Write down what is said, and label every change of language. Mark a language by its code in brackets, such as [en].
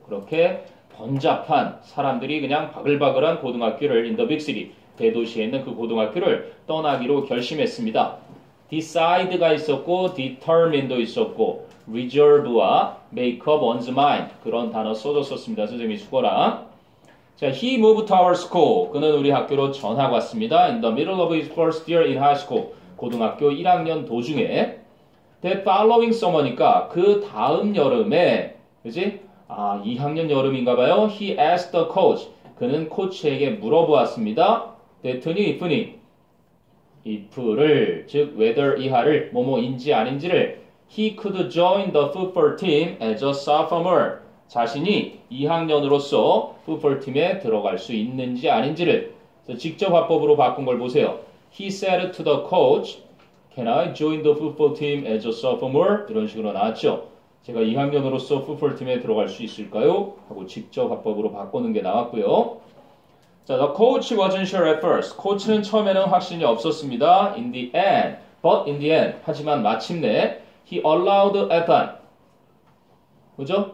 [ko] 그렇게 번잡한 사람들이 그냥 바글바글한 고등학교를 [en] in the big city [ko] 대도시에 있는 그 고등학교를 떠나기로 결심했습니다. decide가 있었고 determine도 있었고 reserve와 make up one's mind 그런 단어 써줬었습니다. 선생님이 수고라. [en] 자, he moved to our school. [ko] 그는 우리 학교로 전학 왔습니다. [en] In the middle of his first year in high school. [ko] 고등학교 1학년 도중에. [en] That following summer [ko] 니까 그 다음 여름에, 그지? 아, 2학년 여름인가 봐요. [en] He asked the coach. [ko] 그는 코치에게 물어보았습니다. That니, if니. if를, 즉, whether 이하를, 뭐뭐인지 아닌지를. [en] He could join the football team as a sophomore. [ko] 자신이 2학년으로서 풋볼팀에 들어갈 수 있는지 아닌지를 직접 화법으로 바꾼 걸 보세요. [en] He said to the coach, Can I join the football team as a sophomore? [ko] 이런 식으로 나왔죠. 제가 2학년으로서 풋볼팀에 들어갈 수 있을까요? 하고 직접 화법으로 바꾸는 게 나왔고요. [en] 자, the coach wasn't sure at first. [ko] 코치는 처음에는 확신이 없었습니다. [en] In the end, but in the end, [ko] 하지만 마침내 [en] He allowed Ethan [ko] 그죠?